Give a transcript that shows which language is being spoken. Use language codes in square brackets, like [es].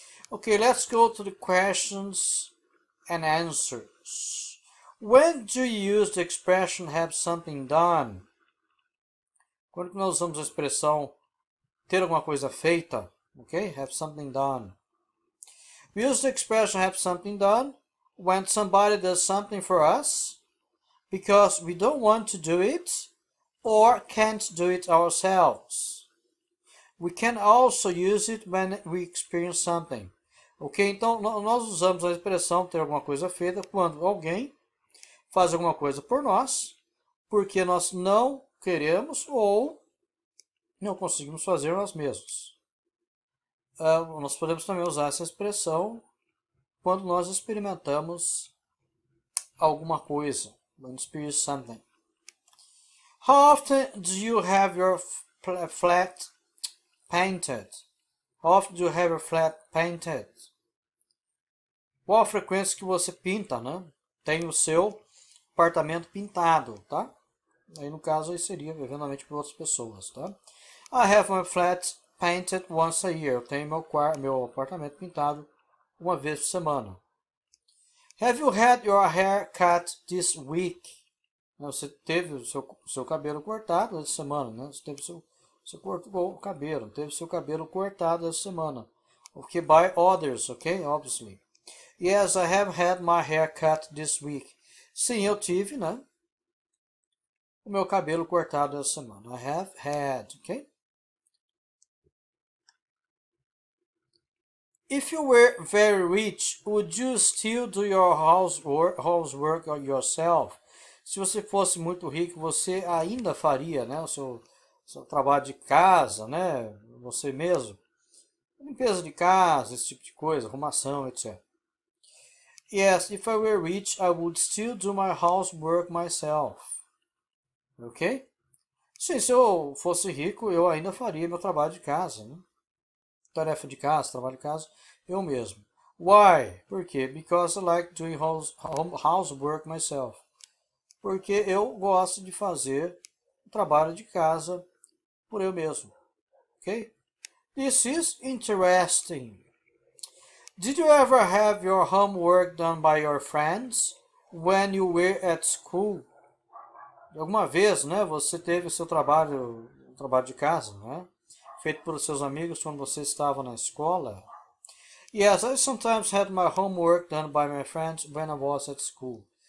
[en] Ok, let's go to the questions and answers. When do you use the expression have something done? [pt] Quando nós usamos a expressão ter alguma coisa feita, ok? [en] Have something done. We use the expression have something done when somebody does something for us because we don't want to do it or can't do it ourselves. We can also use it when we experience something. Ok? [pt] Então, nós usamos a expressão ter alguma coisa feita quando alguém faz alguma coisa por nós, porque nós não queremos ou não conseguimos fazer nós mesmos. Nós podemos também usar essa expressão quando nós experimentamos alguma coisa. [en] When you experience something. How often do you have your flat painted? How often do you have your flat painted? [pt] Qual a frequência que você pinta, né? Tem o seu apartamento pintado, tá? Aí no caso aí seria eventualmente para outras pessoas, tá? [en] I have my flat painted once a year. [pt] Eu tenho meu apartamento pintado uma vez por semana. [en] Have you had your hair cut this week? [pt] Você teve o seu cabelo cortado essa semana, né? Você teve seu cortou o cabelo, teve seu cabelo cortado essa semana. [en] Okay, by others, okay? Obviously. Yes, I have had my hair cut this week. [pt] Sim, eu tive, né? O meu cabelo cortado essa semana. [en] I have had, ok? If you were very rich, would you still do your housework yourself? [pt] Se você fosse muito rico, você ainda faria, né? O seu trabalho de casa, né? Você mesmo. Limpeza de casa, esse tipo de coisa, arrumação, etc. [en] Yes, if I were rich, I would still do my housework myself. Ok? [pt] Sim, se eu fosse rico, eu ainda faria meu trabalho de casa. Né? Tarefa de casa, trabalho de casa, eu mesmo. [en] Why? [pt] Por quê? [en] Because I like doing housework myself. [pt] Porque eu gosto de fazer o trabalho de casa por eu mesmo. [en] Ok? This is interesting. Did you ever have your homework done by your friends when you were at school? [pt] Alguma vez, né, você teve seu trabalho de casa, né, feito pelos seus amigos quando você estava na escola? [en] Yes, I sometimes had my homework done by my friends when I was at school.